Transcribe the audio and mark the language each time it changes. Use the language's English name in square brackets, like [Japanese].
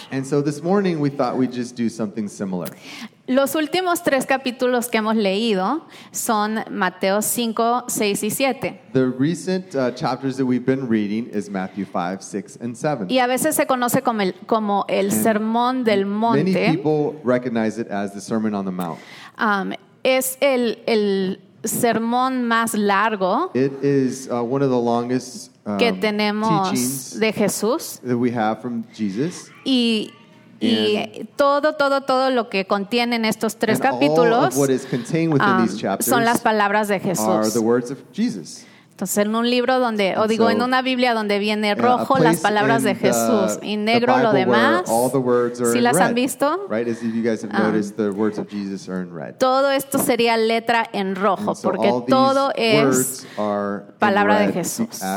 [English] And so this morning we thought we'd just do something similar. [Spanish] Los últimos tres capítulos que hemos leído son Mateo 5, 6 y 7. [English] The recent chapters that we've been reading is Matthew 5, 6 and 7. [Spanish] Y a veces se conoce como el Sermón del Monte. [English] Many people recognize it as the Sermon on the Mount. [Spanish] Es el sermón más largo que tenemos de Jesús. [English] That we have from Jesus. [Spanish] Y todo lo que contiene en estos tres capítulos son las palabras de Jesús. [English] Are the words of Jesus. [Spanish] Entonces, en un libro donde, o digo, en una Biblia donde viene rojo las palabras de Jesús y negro lo demás, si las han visto, [English] right? As if you guys have noticed, the words of Jesus are in red. [Spanish] Todo esto sería letra en rojo, porque todo es palabra de Jesús.